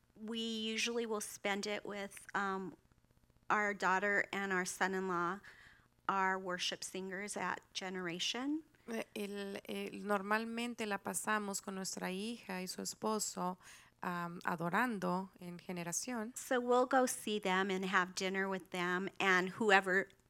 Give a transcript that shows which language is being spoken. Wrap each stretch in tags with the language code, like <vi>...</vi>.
<en>We usually will spend it with our daughter and our son-in-law, our worship singers at Generation.</en> <es>Normalmente la pasamos con nuestra hija y su esposo adorando en Generación.</es> <en>So we'll go see them and have dinner with them and whoever</en>